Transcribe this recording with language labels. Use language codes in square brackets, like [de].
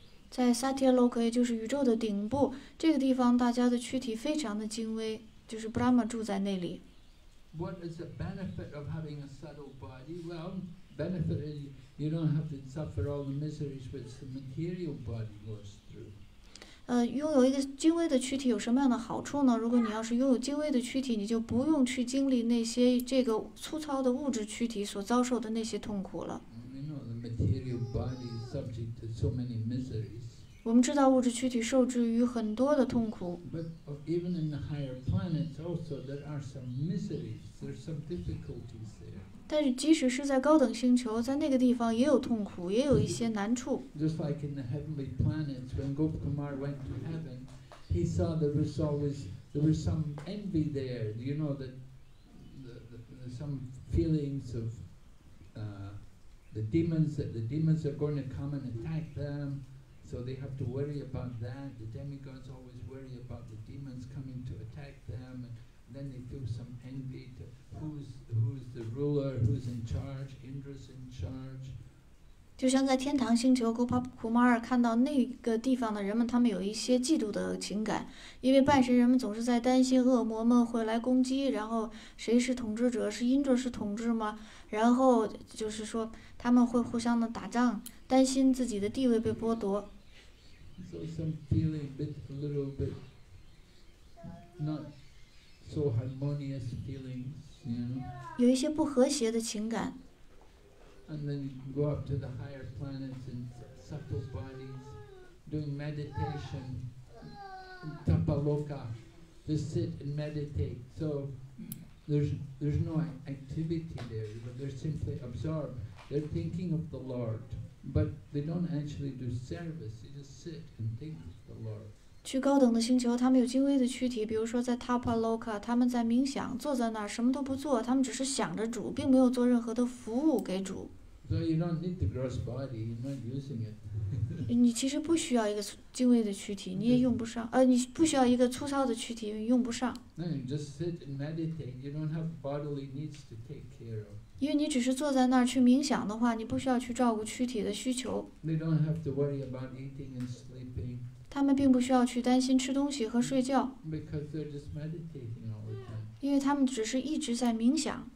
[zh] 在 Satya Loka 也就是宇宙的顶部，这个地方大家的躯体非常的精微，就是 Brahma 住在那里。 [en] What is the benefit of having a subtle body? Well, benefit is you don't have to suffer all the miseries which the material body goes through. [zh] 拥有一个精微的躯体有什么样的好处呢？如果你要是拥有精微的躯体，你就不用去经历那些这个粗糙的物质躯体所遭受的那些痛苦了。 [en] You know, the material body is subject to so many miseries. [zh] 我们知道物质躯体受制于很多的痛苦。 [en] But even in the higher planets also, there are some miseries. There are some difficulties there. [zh] 但是即使是在高等星球，在那个地方也有痛苦，也有一些难处。 [en] Just like in the heavenly planets, when Gop Kumar went to heaven, he saw there was always, there was some envy there. You know, that the some feelings of the demons, that the demons are going to come and attack them. So they have to worry about that. The demigods always worry about the demons coming to attack them. And then they feel some envy to who's the ruler, who's in charge, Indra's in charge. [zh] 就像在天堂星球 Gopakumar 看到那个地方的人们，他们有一些嫉妒的情感，因为半神人们总是在担心恶魔们会来攻击，然后谁是统治者，是因着是统治吗？然后就是说他们会互相的打仗，担心自己的地位被剥夺。 [en] So some feeling bit, a little bit not so harmonious feelings, you know. [zh] 有一些不和谐的情感。 [en] And then go up to the higher planets and subtle bodies, doing meditation, tapaloka, to sit and meditate. So there's no activity there, but they're simply absorbed. They're thinking of the Lord. But they don't actually do service. They just sit and think of the Lord. [zh] 去高等的星球，他们有精微的躯体，比如说在 Tapaloka， 他们在冥想，坐在那儿什么都不做，他们只是想着主，并没有做任何的服务给主。 [en] So you don't need the gross body. You're not using it. [zh] 你其实不需要一个精微的躯体，你也用不上。你不需要一个粗糙的躯体，用不上。 [en] No, you just sit and meditate. You don't have bodily needs to take care of. [zh] 因为你只是坐在那儿去冥想的话，你不需要去照顾躯体的需求。 [en] They don't have to worry about eating and sleeping. [zh] 他们并不需要去担心吃东西和睡觉。 [en] Because they're just meditating all the time. [zh] 因为他们只是一直在冥想。